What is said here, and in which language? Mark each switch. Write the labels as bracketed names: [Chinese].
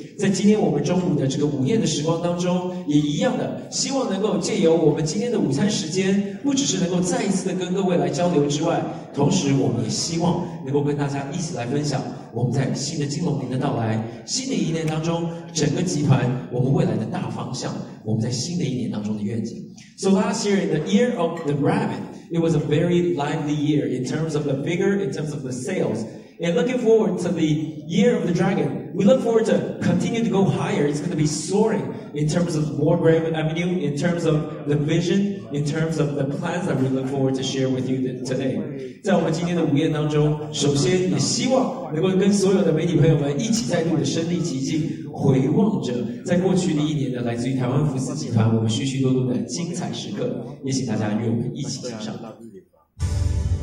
[Chinese] 在今天我们中午的这个午宴的时光当中，也一样的希望能够借由我们今天的午餐时间，不只是能够再一次的跟各位来交流之外，同时我们也希望能够跟大家一起来分享我们在新的金龙年的到来、新的一年当中整个集团我们未来的大方向、我们在新的一年当中的愿景。 [English] So last year in the year of the rabbit, it was a very lively year in terms of the figure, in terms of the sales. And looking forward to the year of the dragon, we look forward to continue to go higher. It's going to be soaring in terms of more brave avenue, in terms of the vision, in terms of the plans that we look forward to share with you today. [Chinese] 在我们今天的午宴当中，首先也希望能够跟所有的媒体朋友们一起再度的身临其境，回望着在过去的一年的来自于台湾福斯集团我们许许多多的精彩时刻，也请大家与我们一起欣赏。